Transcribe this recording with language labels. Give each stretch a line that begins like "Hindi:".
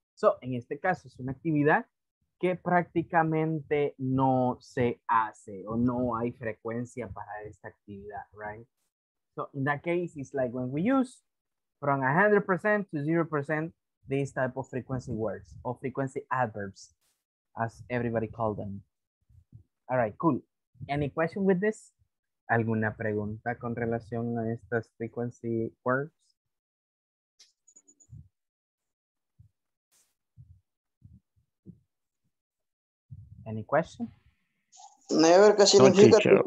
Spanish: So, en este caso, es una actividad que prácticamente no se hace o no hay frecuencia para esta actividad, right?
English: So, in that case, it's like when we use from 100% to 0% these type of frequency words or frequency adverbs, as everybody call them. All right, cool. Any question with this?
Spanish: ¿Alguna pregunta con relación a estas frequency words?
English: Any question?
Spanish: Never, ¿qué significa?